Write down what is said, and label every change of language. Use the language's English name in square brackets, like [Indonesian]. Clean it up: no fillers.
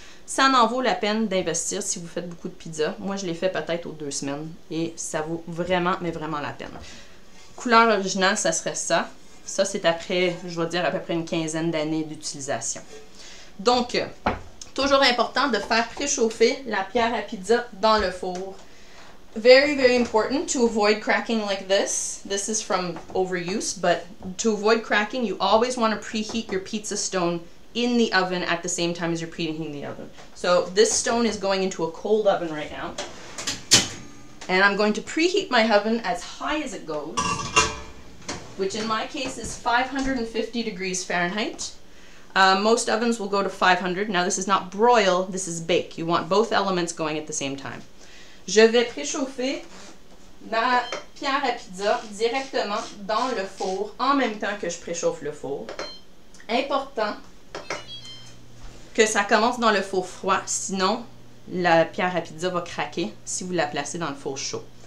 [French] Ça en vaut la peine d'investir si vous faites beaucoup de pizza. Moi, je l'ai fait peut-être aux 2 semaines et ça vaut vraiment, mais vraiment la peine. Couleur originale, ça serait ça. Ça, c'est après, je vais dire, à peu près une quinzaine d'années d'utilisation. Donc, toujours important de faire préchauffer la pierre à pizza dans le four. [English] Very, very important to avoid cracking like this. This is from overuse, but to avoid cracking, you always want to preheat your pizza stone in the oven at the same time as you're preheating the oven. So this stone is going into a cold oven right now. And I'm going to preheat my oven as high as it goes, which in my case is 550 degrees Fahrenheit. Most ovens will go to 500. Now this is not broil, this is bake. You want both elements going at the same time. [French] Je vais préchauffer ma pierre à pizza directement dans le four en même temps que je préchauffe le four. Important que ça commence dans le four froid, sinon la pierre à pizza va craquer si vous la placez dans le four chaud.